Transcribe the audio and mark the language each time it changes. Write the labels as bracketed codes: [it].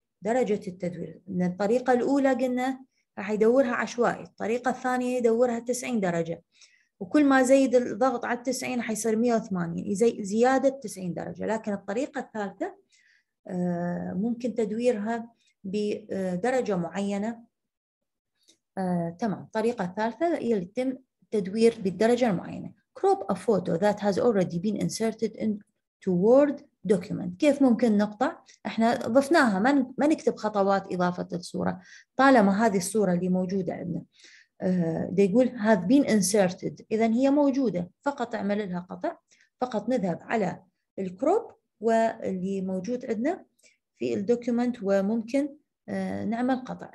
[ar] درجة التدوير الطريقة الأولى قلنا راح يدورها عشوائي، الطريقة الثانية يدورها 90 درجة، وكل ما زيد الضغط على 90 حيصير 180، زيادة 90 درجة. لكن الطريقة الثالثة ممكن تدويرها بدرجة معينة، تمام. الطريقة الثالثة هي اللي يتم تدوير بالدرجة المعينة. [en] Crop a photo that has already been inserted into Word document. [ar] كيف ممكن نقطع؟ احنا ضفناها، ما نكتب خطوات إضافة الصورة، طالما هذه الصورة اللي موجودة عندنا يقول [en] have been inserted، [ar] إذا هي موجودة، فقط اعمل لها قطع، فقط نذهب على الكروب واللي موجود عندنا في الدوكيومنت، وممكن نعمل قطع.